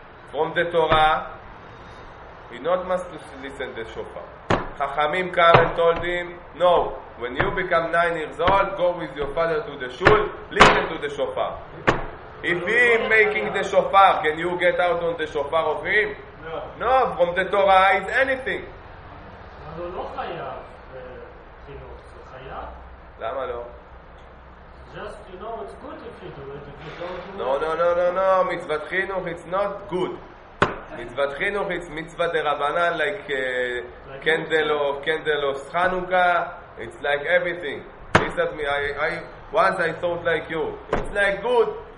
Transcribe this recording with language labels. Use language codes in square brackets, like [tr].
[en] From the Torah, he not must to listen to the shofar. Chachamim come and told him, no. When you become 9 years old, go with your father to the shul, listen to the shofar. If he is making the shofar, can you get out on the shofar of him? No. No, from the Torah is anything. [he] אבל הוא לא חייב חינוך, זה חייב. למה לא? [en] Just, you know, it's good if you do it, if you don't do it. No, מצוות חינוך, it's not good. מצוות חינוך, it's מצוות דרבנן, like candle of חנוכה, it's like everything. I thought like you. It's like good.